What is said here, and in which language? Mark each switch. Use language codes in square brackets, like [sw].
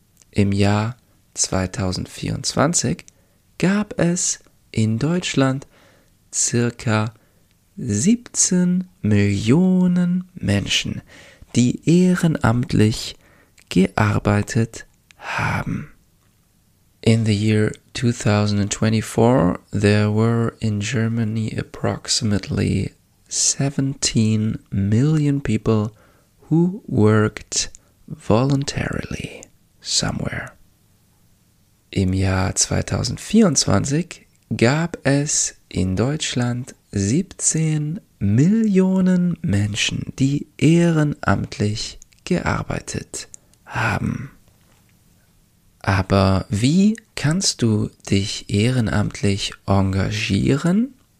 [de] Im Jahr 2024 gab es in Deutschland circa 17 Millionen Menschen, die ehrenamtlich gearbeitet haben. [en] In the year 2024, there were in Germany approximately 17 million people who worked voluntarily somewhere. [de] Im Jahr 2024 gab es in Deutschland 17 Millionen Menschen, die ehrenamtlich gearbeitet haben. Aber wie kannst du dich ehrenamtlich engagieren?